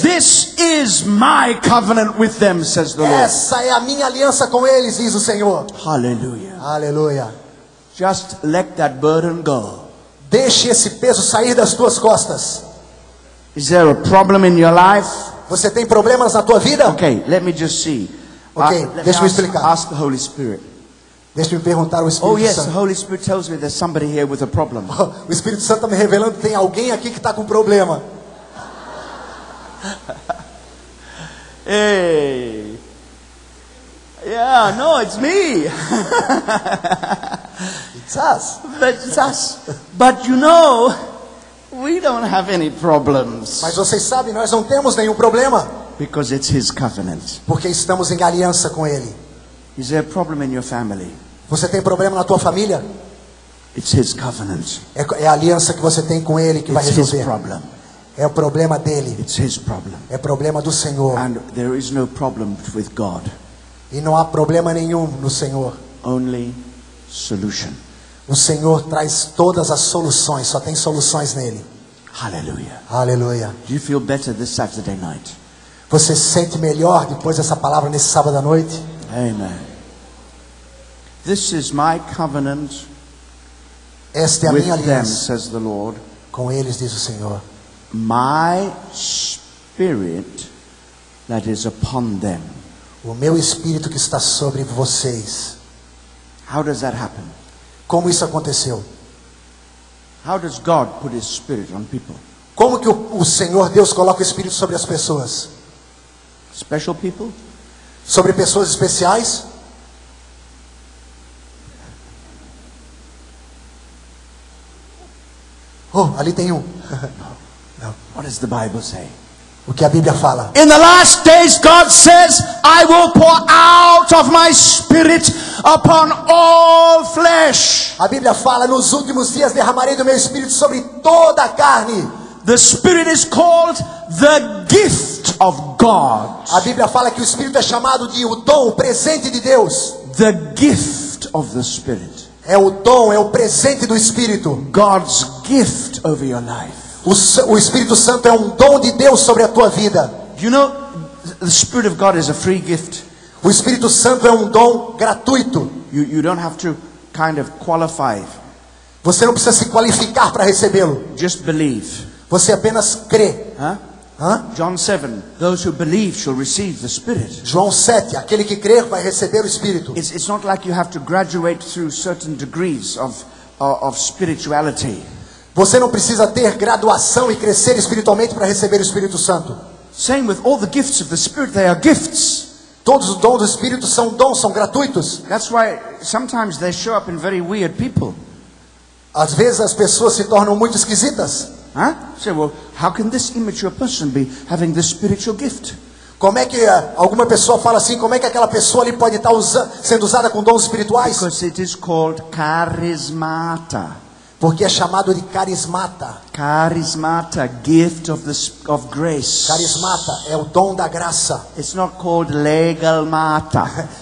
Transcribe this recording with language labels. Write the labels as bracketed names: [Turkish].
[English] This is my covenant with them, says the Lord. [Portuguese] Essa é a minha aliança com eles, diz o Senhor. [English] Hallelujah. [Portuguese] Hallelujah. [English] Just let that burden go. [Portuguese] Deixe esse peso sair das tuas costas. [English] Is there a problem in your life? [Portuguese] Você tem problemas na tua vida? [English] Okay, let me just see. [Portuguese] Okay, deixa eu explicar. [English] Ask the Holy Spirit. [Portuguese] Deixa-me perguntar ao Espírito Santo. [English] Oh yes, [Portuguese] Santo. [English] The Holy Spirit tells me there's somebody here with a problem. O Espírito Santo está me revelando que tem alguém aqui que está com problema. Hey, yeah, no, it's me. It's us. But it's us. But you know, we don't have any problems. [Portuguese] Mas vocês sabem, nós não temos nenhum problema. [English] Because it's His covenant. [Portuguese] Porque estamos em aliança com Ele. [English] Is there a problem in your family? [Portuguese] Você tem problema na tua família? [English] It's his covenant. [Portuguese] É a aliança que você tem com ele que [English] it's [Portuguese] vai resolver. [English] His problem. [Portuguese] É o problema dele. [English] It's his problem. [Portuguese] É problema do Senhor. [English] And there is no problem with God. [Portuguese] E não há problema nenhum no Senhor. [English] Only solution. [Portuguese] O Senhor traz todas as soluções, só tem soluções nele. [English] Hallelujah. [Portuguese] Hallelujah. [English] Do you feel better this Saturday night? [Portuguese] Você se sente melhor depois dessa palavra nesse sábado à noite? [English] Amen. This is my covenant. [Portuguese] Esta é a [English] with [Portuguese] minha aliança, [English] them, says the Lord. [Portuguese] Com eles, diz o Senhor. [English] My spirit that is upon them. [Portuguese] O meu espírito que está sobre vocês. [English] How does that happen? [Portuguese] Como isso aconteceu? [English] How does God put his spirit on people? [Portuguese] Como que o Senhor Deus coloca o espírito sobre as pessoas? [English] Special people? [Portuguese] Sobre pessoas especiais? Oh, ali tem um. [English] What does the Bible say? [Portuguese] O que a Bíblia fala? [English] In the last days, God says, I will pour out of my spirit upon all flesh. [Portuguese] A Bíblia fala, nos últimos dias derramarei do meu espírito sobre toda a carne. [English] The spirit is called the gift of God. [Portuguese] A Bíblia fala que o espírito é chamado de o dom, o presente de Deus. [English] The gift of the spirit. [Portuguese] É o dom, é o presente do espírito. [English] God's gift over your life. [Portuguese] O Espírito Santo é um dom de Deus sobre a tua vida. [English] You know, the Spirit of God is a free gift. [Portuguese] O Espírito Santo é um dom gratuito. [English] You don't have to kind of qualify. [Portuguese] Você não precisa se qualificar para recebê-lo. [English] Just believe. [Portuguese] Você apenas crê. [English] John 7. Those who believe shall receive the Spirit. [Portuguese] João 7. Aquele que crer vai receber o Espírito. [English] It's not like you have to graduate through certain degrees of spirituality. [Portuguese] Você não precisa ter graduação e crescer espiritualmente para receber o Espírito Santo. [English] Same with all the gifts of the Spirit, they are gifts. [Portuguese] Todos os dons do Espírito são dons, são gratuitos. [English] That's why sometimes they show up in very weird people. [Portuguese] Às vezes as pessoas se tornam muito esquisitas. [English] So, well, how can this immature person be having this spiritual gift? [Portuguese] Como é que alguma pessoa fala assim? Como é que aquela pessoa ali pode estar sendo usada com dons espirituais? [English] Because it is called charismata. [Portuguese] Porque é chamado de carismata. [English] Carismata, gift of grace. [Portuguese] Carismata é o dom da graça. [English] It's not called legalmata.